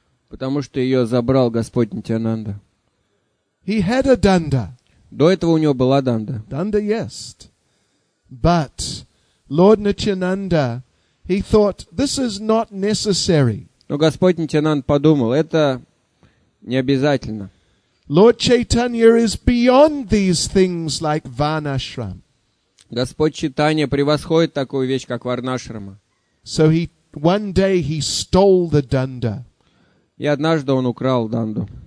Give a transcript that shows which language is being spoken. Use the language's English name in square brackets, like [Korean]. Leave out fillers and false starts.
[Russian] Потому что ее забрал Господь Нитьянанда. [English] He had a danda. [Russian] До этого у него была данда. [English] Danda, yes. But Lord Nityananda, he thought, this is not necessary. [Russian] Но Господь Нитьянанда подумал, это Не обязательно. [English] Lord Chaitanya is beyond these things like Varnashram. [Russian] Господь Чайтанья превосходит такую вещь, как Варнашрама. [English] So he, one day he stole the Danda. [Russian] И однажды он украл Данду.